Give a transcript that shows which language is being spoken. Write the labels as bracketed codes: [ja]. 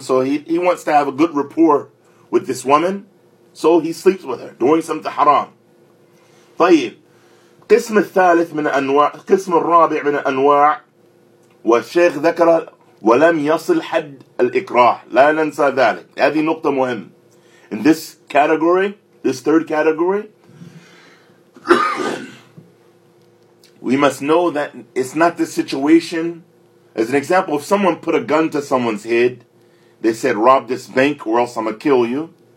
[en] So he wants to have a good rapport with this woman. So he sleeps with her, doing something haram. [ar] طيب, قسم الثالث من أنواع, قسم الرابع من أنواع, والشيخ ذكر ولم يصل حد الإكراه. لا ننسى ذلك. هذه نقطة مهمة. [en] In this category, this third category, we must know that it's not the situation. As an example, if someone put a gun to someone's head, they said, rob this bank or else I'm going to kill you.